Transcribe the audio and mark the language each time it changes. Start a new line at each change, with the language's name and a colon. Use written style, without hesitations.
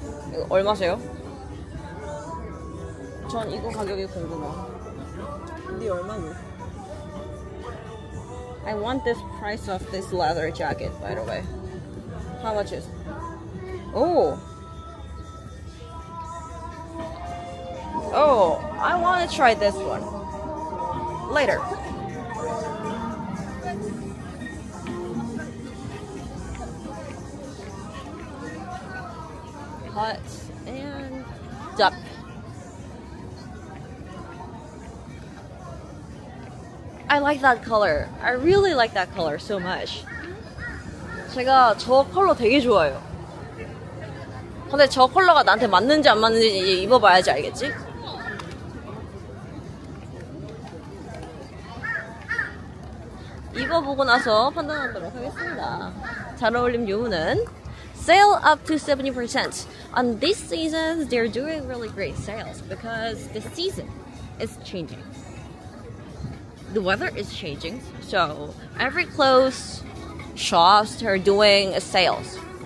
Korean: 이거 얼마세요? 전 이거 가격이 궁금해. 얼마는?
English: I want this price of this leather jacket, by the way. How much is? Oh. Oh, I want to try this one. Later. Cut and duck. I like that color. I really like that color so much.
Korean: 제가 저 컬러 되게 좋아요. 근데 저 컬러가 나한테 맞는지 안 맞는지 입어봐야지 알겠지? Oh. 입어보고 나서 판단하도록 하겠습니다. 잘 어울림 요문은
English: Sale up to 70%. On this season, they're doing really great sales because the season is changing. The weather is changing, so every clothes shops are doing sales.